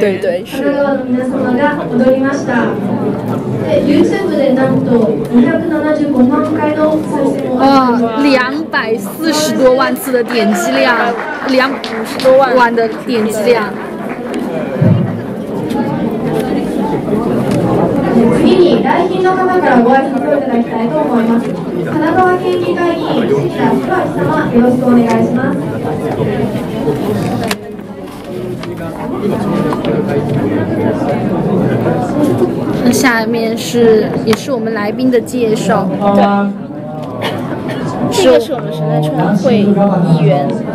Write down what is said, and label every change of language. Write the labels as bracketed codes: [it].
[zh] 对对对，是。 [ja] YouTube でなんと275万回の再生を。 [zh] 哇，240多万次的点击量，250多万的点击量。 [ja] 次に来賓の方からご挨拶をいただきたいと思います。神奈川県議会議員杉田博明様、よろしくお願いします。 [zh] 那下面是也是我们来宾的介绍。对，这个是我们神奈川会议员